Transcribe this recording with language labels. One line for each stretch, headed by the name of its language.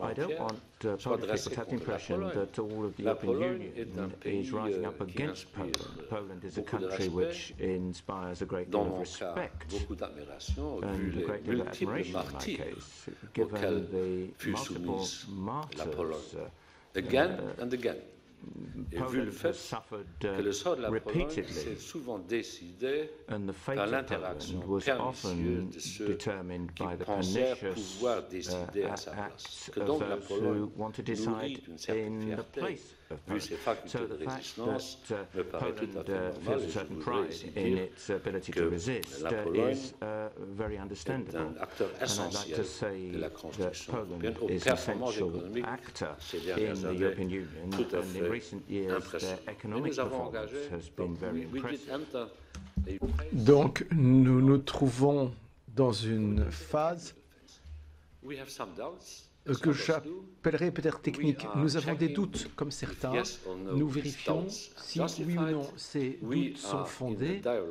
English: I don't want Polish people to have the impression that all of the European Union is rising up against Poland. Poland is a country which inspires a great deal of respect and a great deal of admiration in my case, given the multiple martyrs again.
French: Et vu le fait que le sort de la Pologne s'est souvent décidé par l'interaction pernicieuse de ceux qui pensaient pouvoir décider à sa place, que donc la Pologne nourrit une certaine fierté.
English: So the fact that Poland feels a certain pride in its ability to resist is very understandable. And I'd like to say that Poland is an essential actor in the European Union, and in recent years their economic performance has been very impressive.
French: Donc nous nous trouvons dans une phase que j'appellerai peut-être technique. Nous avons des doubts, comme certains. Nous vérifions si, oui ou non, ces doutes sont fondés.